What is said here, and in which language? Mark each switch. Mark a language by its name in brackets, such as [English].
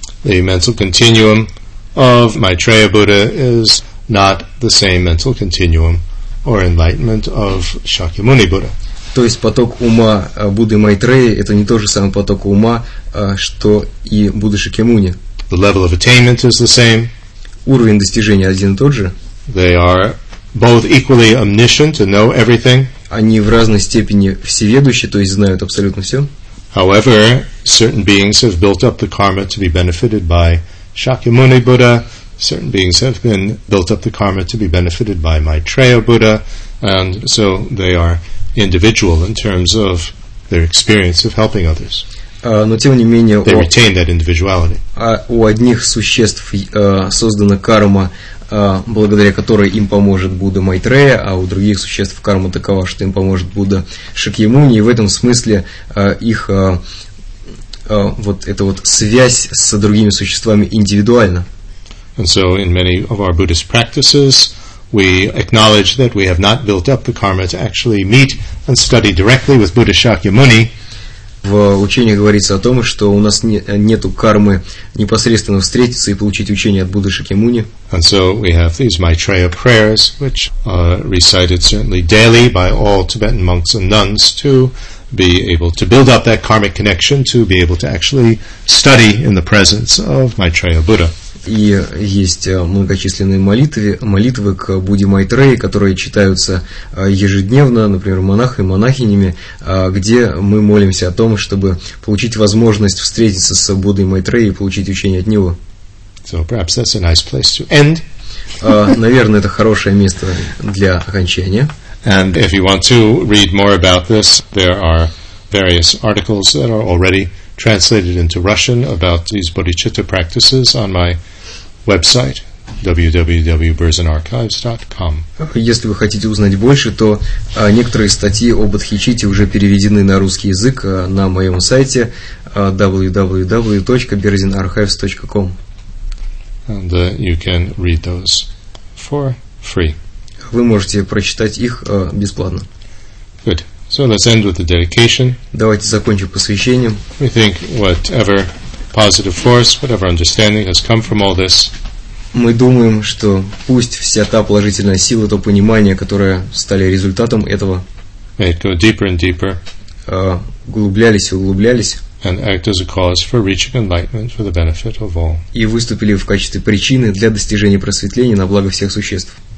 [English] The mental continuum of Maitreya Buddha is not the same mental continuum or enlightenment of Shakyamuni Buddha. [Russian] То есть поток ума Будды Майтрея – это не тот же самый поток ума, что и Будды Шакьямуни. [English] The level of attainment is the same. [Russian] Уровень достижения один и тот же. [English] They are both equally omniscient and know everything. [Russian] Они в разной степени всеведущие, то есть знают абсолютно все. [English] However, certain beings have built up the karma to be benefited by Shakyamuni Buddha. Certain beings have been built up the karma to be benefited by Maitreya Buddha, and so they are individual in terms of their experience of helping others. [Russian] Но тем не менее, [English] they retain that individuality. [Russian] У одних существ создана карма, благодаря которой им поможет Будда Майтрея, а у других существ карма такова, что им поможет Будда Шакьямуни. И в этом смысле их вот эта вот связь с другими существами индивидуальна. [English] And so in many of our Buddhist practices, we acknowledge that we have not built up the karma to actually meet and study directly with Buddha Shakyamuni. [Russian] В учениях говорится о том, что у нас нету кармы непосредственно встретиться и получить учение от Будды Шакьямуни. [English] And so we have these Maitreya prayers, which are recited certainly daily by all Tibetan monks and nuns to be able to build up that karmic connection, to be able to actually study in the presence of Maitreya Buddha. [Russian] И есть многочисленные молитвы к Будде Майтрее, которые читаются ежедневно, например, монахами, монахинями, где мы молимся о том, чтобы получить возможность встретиться с Буддой Майтрее и получить учение от него. [English] So perhaps that's a nice place to end. [Russian] Наверное, это хорошее место для окончания. [English] And if you want to read more about this, there are various articles that are already translated into Russian about these bodhicitta practices on my website. www.burzenarchives.com. [Russian] Если вы хотите узнать больше, то некоторые статьи о бодхичитте уже переведены на русский язык на моем сайте www.burzenarchives.com. [English] And you can read those for free. [Russian] Вы можете прочитать их бесплатно. [English] Good. So let's end with the dedication. [Russian] Давайте закончим посвящением. [English] We think whatever positive force, whatever understanding has come from all this. [Russian] Мы думаем, что пусть вся та положительная сила, то понимание, которое стали результатом этого, [English] may it go deeper and deeper, [Russian] углублялись и углублялись, [English] and act as a cause for reaching enlightenment for the benefit of all. [Russian] И выступили в качестве причины для достижения просветления на благо всех существ.